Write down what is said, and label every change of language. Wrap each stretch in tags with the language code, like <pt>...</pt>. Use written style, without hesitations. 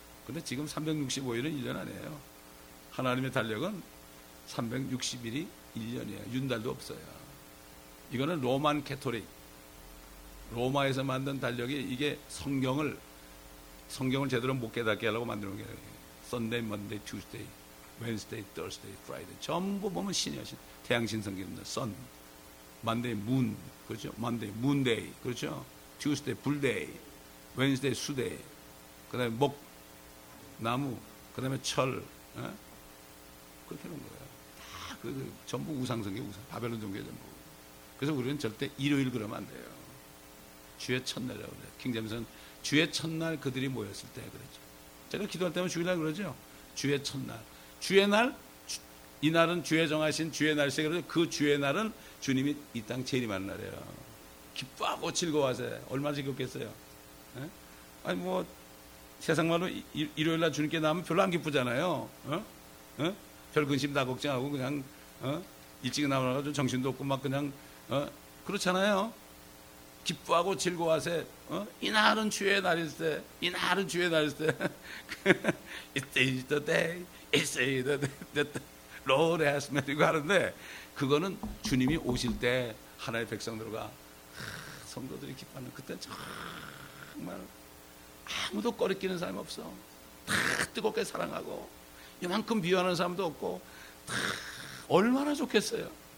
<ko>근데 지금 365일은 1년 아니에요. 하나님의 달력은 360일이 1년이에요. 윤달도 없어요. 이거는 로만 캐토릭. 로마에서 만든 달력이 이게 성경을 제대로 못 깨닫게 하려고 만드는 게 아니에요.</ko> <en>Sunday, Monday, Tuesday, Wednesday, Thursday, Friday.</en> <ko>전부 보면 신이야, 신. 태양신 성경입니다. Sun.</ko> <en>Monday, Moon.</en> <ko>그렇죠?</ko> <en>Monday, Moonday.</en> <ko>그렇죠?</ko> <en>Tuesday, Bullday. Wednesday, Suday.</en> <ko>그 다음에 목, 나무. 그 다음에 철. 에? 그렇게 하는 거예요. 다, 전부 우상성경, 우상. 바벨론 종교 전부. 그래서 우리는 절대 일요일 그러면 안 돼요. 주의 첫날이라고 그래요. 킹잼스는 주의 첫날 그들이 모였을 때 그랬죠. 제가 기도할 때면 주일날 그러죠. 주의 첫날. 주의 날, 이 날은 주의 정하신 주의 날세 그러죠. 그 주의 날은 주님이 이 땅 재림하는 날이에요. 기뻐하고 즐거워하세요. 얼마나 즐겁겠어요. 예? 아니, 뭐, 세상 말로 일요일날 주님께 나오면 별로 안 기쁘잖아요. 예? 예? 별 근심 다 걱정하고 그냥 일찍 나와가지고 정신도 없고 막 그냥 그렇잖아요. 기뻐하고 즐거워하세요. 이 날은 주의 날일 때, 이 날은 주의 날일 때.</ko> <en>It is the day, it is the day that Lord has made.</en> <ko>이거 하는데 그거는 주님이 오실 때 하나의 백성들과 성도들이 기뻐하는 그때 정말 아무도 꺼리끼는 사람이 없어. 다 뜨겁게 사랑하고 이만큼 미워하는 사람도 없고 다 얼마나 좋겠어요.</ko>